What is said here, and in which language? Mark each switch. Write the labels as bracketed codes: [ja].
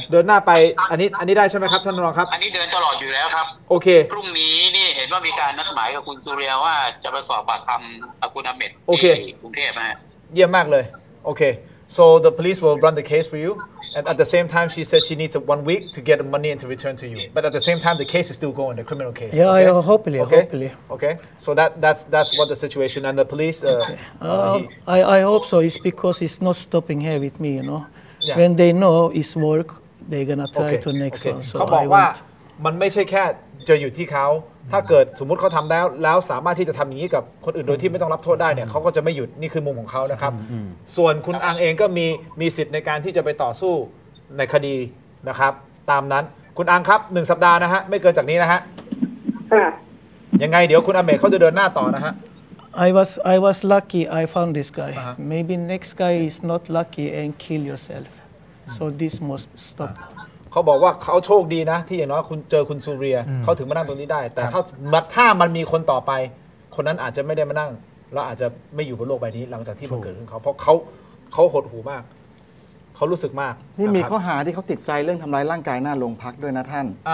[th] เดินหน้าไปอันนี้ได้ใช่ไหมครับท่านรองครับ อันนี้เดินตลอดอยู่แล้วครับ โอเค พรุ่งนี้นี่เห็นว่ามีการนัดหมายกับคุณสุเรียว่าจะไปสอบปากคำคุณอเมท โอเค กรุงเทพฯฮะ เยี่ยมมากเลยโอเค [en] so the police will run the case for you and at the same time she said she needs a 1 week to get the money and to return to you but at the same time the case is still going the criminal case yeah okay? yeah hopefully okay? hopefully okay so that's what the situation and the police okay. I hope so it's because it's not stopping here with me you know Yeah. When they know it's work, they're gonna try okay. to next okay. one. So [th] เขาบอกว่ามันไม่ใช่แค่จะอยู่ที่เขา mm-hmm. ถ้าเกิดสมมติเขาทำแล้วสามารถที่จะทำอย่างนี้กับคนอื่น mm-hmm. โดยที่ไม่ต้องรับโทษได้เนี่ย mm-hmm. เขาก็จะไม่หยุดนี่คือมุมของเขานะครับ mm-hmm. ส่วนคุณ mm-hmm. อังเองก็มีสิทธิ์ในการที่จะไปต่อสู้ในคดีนะครับตามนั้นคุณอังครับ1สัปดาห์นะฮะไม่เกินจากนี้นะฮะยังไงเดี๋ยวคุณอเมทเขาจะเดินหน้าต่อนะฮะ [en] I was lucky. I found this guy. Uh-huh. Maybe next guy is not lucky and kill yourself. So this must stop. [th] เขาบอกว่าเขาโชคดีนะที่อย่างน้อยคุณเจอคุณซูเรียเขาถึงมานั่งตรงนี้ได้แต่ถ้ามันมีคนต่อไปคนนั้นอาจจะไม่ได้มานั่งแล้วอาจจะไม่อยู่บนโลกใบนี้หลังจากที่มันเกิดขึ้นเขาเพราะเขาหดหู่มากเขารู้สึกมาก นี่มีข้อหาที่เขาติดใจเรื่องทำร้ายร่างกายหน้าโรงพักด้วยนะท่าน